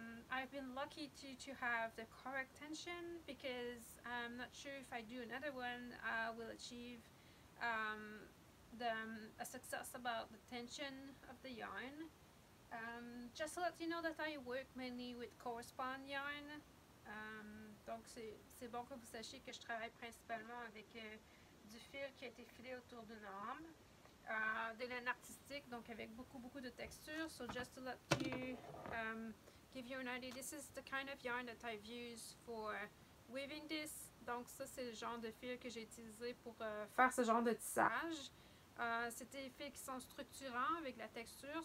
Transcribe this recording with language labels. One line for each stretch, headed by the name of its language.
English: I've been lucky to have the correct tension, because I'm not sure if I do another one I will achieve a success about the tension of the yarn. Just to let you know that I work mainly with coarse spun yarn.
French: Donc c'est bon que vous sachiez que je travaille principalement avec du fil qui a été filé autour d'une rame. De laine artistique, donc avec beaucoup de texture.
English: So just to let you give you an idea, this is the kind of yarn that I've used for weaving this.
French: Donc ça c'est le genre de fil que j'ai utilisé pour faire ce genre de tissage. C'était des fils qui sont structurants avec la texture.